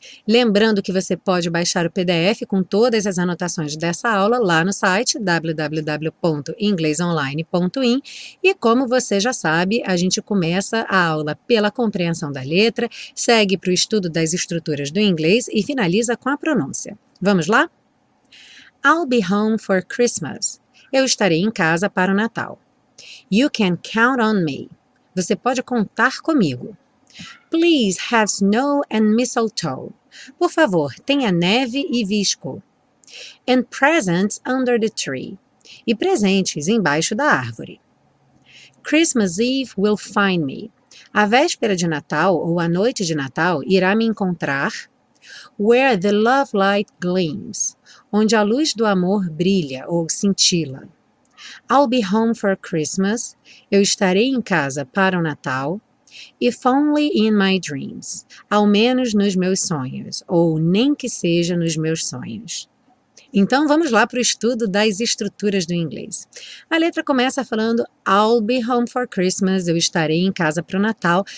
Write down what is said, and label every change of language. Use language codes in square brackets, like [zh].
[pt] Lembrando que você pode baixar o PDF com todas as anotações dessa aula lá no site www.inglesonline.in. E como você já sabe, a gente começa a aula pela compreensão da letra, segue para o estudo das estruturas do inglês e finaliza com a pronúncia. Vamos lá? [en] I'll be home for Christmas. [pt] Eu estarei em casa para o Natal. [en] You can count on me. [pt] Você pode contar comigo. [en] Please have snow and mistletoe. [pt] Por favor, tenha neve e visco. [en] And presents under the tree. [pt] E presentes embaixo da árvore. [en] Christmas Eve will find me. [pt] A véspera de Natal ou a noite de Natal irá me encontrar. [en] Where the love light gleams. [pt] Onde a luz do amor brilha ou cintila. [en] I'll be home for Christmas. [pt] Eu estarei em casa para o Natal. [en] If only in my dreams, [pt] ao menos nos meus sonhos, ou nem que seja nos meus sonhos. Então vamos lá para o estudo das estruturas do inglês. A letra começa falando [en] I'll be home for Christmas, [pt] eu estarei em casa para o Natal.